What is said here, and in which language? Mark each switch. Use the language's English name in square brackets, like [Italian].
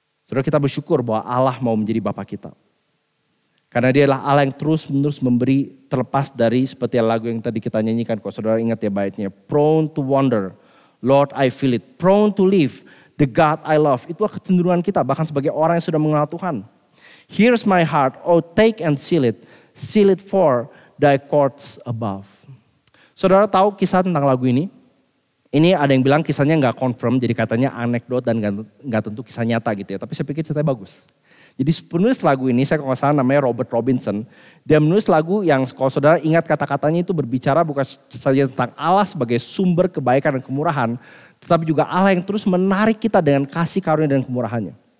[Indonesian] Saudara, kita bersyukur bahwa Allah mau menjadi Bapa kita. Karena dia adalah Allah yang terus-menerus memberi, terlepas dari seperti lagu yang tadi kita nyanyikan. Kok saudara ingat ya baitnya, [English] prone to wander, Lord I feel it, prone to leave, the God I love. [Indonesian] Itulah kecenderungan kita bahkan sebagai orang yang sudah mengenal Tuhan. [English] Here's my heart, oh take and seal it for thy courts above. [Indonesian] Saudara tahu kisah tentang lagu ini? Ini ada yang bilang kisahnya gak confirm, jadi katanya anekdot dan gak tentu kisah nyata gitu ya. Tapi saya pikir ceritanya bagus. Jadi penulis lagu ini, saya kalau gak salah namanya Robert Robinson, dia menulis lagu yang kalau saudara ingat kata-katanya itu berbicara bukan saja tentang Allah sebagai sumber kebaikan dan kemurahan, tetapi juga Allah yang terus menarik kita dengan kasih karunia dan kemurahannya.